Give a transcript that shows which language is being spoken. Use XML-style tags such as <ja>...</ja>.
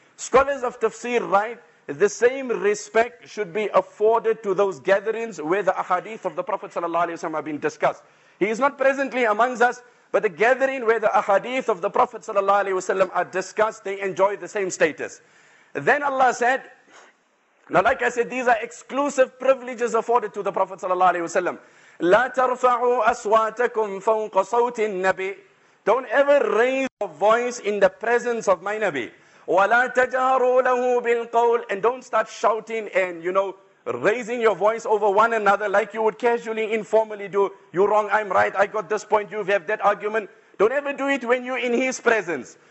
<en>Scholars of tafsir write, the same respect should be afforded to those gatherings where the ahadith of the Prophet sallallahu alaihi wasallam have been discussed. He is not presently amongst us, but the gathering where the ahadith of the Prophet sallallahu alaihi wasallam are discussed, they enjoy the same status. Then Allah said, now like I said, these are exclusive privileges afforded to the Prophet sallallahu alaihi wasallam.</en> <ar>لا ترفعوا أصواتكم فوق صوت النبي.</ar> <en>Don't ever raise your voice in the presence of my Nabi.</en> <ar>وَلَا تَجَارُوا لَهُ بِالْقَوْلِ</ar> <en>And don't start shouting and, you know, raising your voice over one another like you would casually, informally do. You're wrong, I'm right, I got this point, you have that argument. Don't ever do it when you're in his presence.</en>